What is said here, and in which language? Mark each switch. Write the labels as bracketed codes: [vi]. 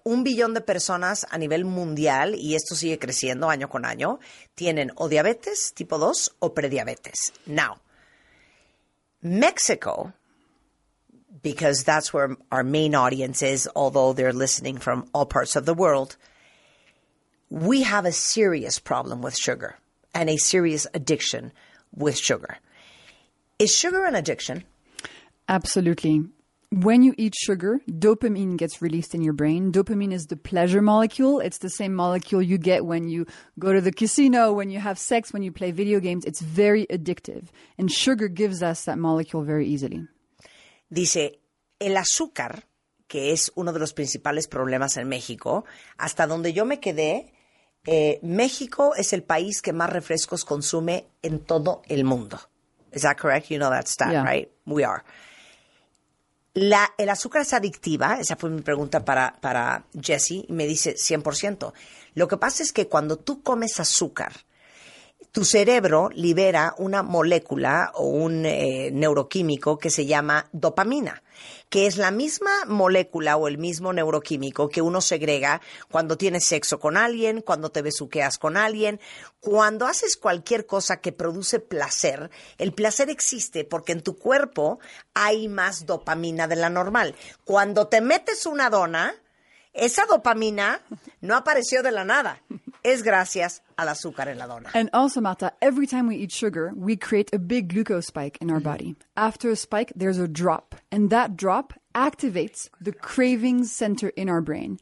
[es] 1 billón de personas a nivel mundial, y esto sigue creciendo año con año, tienen o diabetes tipo 2 o prediabetes. [en] Now, Mexico, because that's where our main audience is, although they're listening from all parts of the world, we have a serious problem with sugar and a serious addiction with sugar. Is sugar an addiction? Absolutely. When you eat sugar, dopamine gets released in your brain. Dopamine is the pleasure molecule. It's the same molecule you get when you go to the casino, when you have sex, when you play video games. It's very addictive. And sugar gives us that molecule very easily. [es] Dice, el azúcar, que es uno de los principales problemas en México, hasta donde yo me quedé, México es el país que más refrescos consume en todo el mundo. [en] Is that correct? You know that stat, yeah. Right? We are. [es] El azúcar es adictiva. Esa fue mi pregunta para Jesse. Y me dice 100%. Lo que pasa es que cuando tú comes azúcar, tu cerebro libera una molécula o un neuroquímico que se llama dopamina, que es la misma molécula o el mismo neuroquímico que uno segrega cuando tienes sexo con alguien, cuando te besuqueas con alguien, cuando haces cualquier cosa que produce placer. El placer existe porque en tu cuerpo hay más dopamina de la normal. Cuando te metes una dona, esa dopamina no apareció de la nada. Es gracias al azúcar en la dona. [en] And also, Marta, every time we eat sugar, we create a big glucose spike in our body. After a spike, there's a drop. And that drop activates the craving center in our brain.